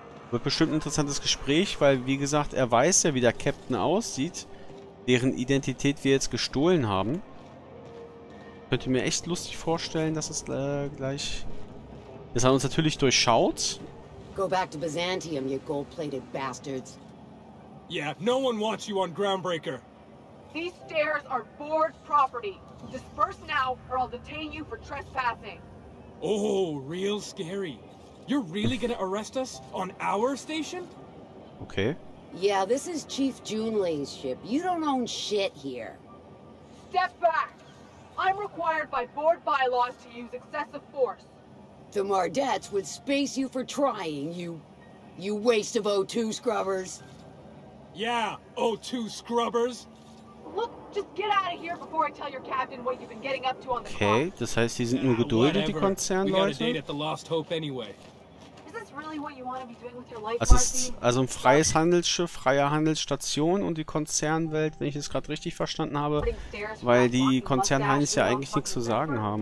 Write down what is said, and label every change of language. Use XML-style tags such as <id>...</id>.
<de>Wird bestimmt ein interessantes Gespräch, weil, wie gesagt, er weiß ja, wie der Captain aussieht, deren Identität wir jetzt gestohlen haben. Ich könnte mir echt lustig vorstellen, dass es gleich... Das hat uns natürlich durchschaut.</de> <en>Go back to Byzantium, you gold-plated bastards. Yeah, no one wants you on Groundbreaker. These stairs are board property. Disperse now or I'll detain you for trespassing. Oh, real scary. You're really gonna arrest us on our station? Okay. Yeah, this is Chief Junlei's ship. You don't own shit here. Step back. I'm required by board bylaws to use excessive force. The Mardets would space you for trying, you waste of O2 scrubbers. Yeah, O2 scrubbers. Look, just get out of here before I tell your captain what you've been getting up to on the clock.</en> <de>Okay, das heißt, die sind nur geduldet, die Konzernleute.</de> <en>We got a date at the Lost Hope anyway. Is this really what you want to be doing with your life, Marcy?</en> <de>Also ein freies Handelsschiff, freie Handelsstation und die Konzernwelt, wenn ich es gerade richtig verstanden habe, weil die Konzernheinis ja eigentlich nichts zu sagen haben.</de>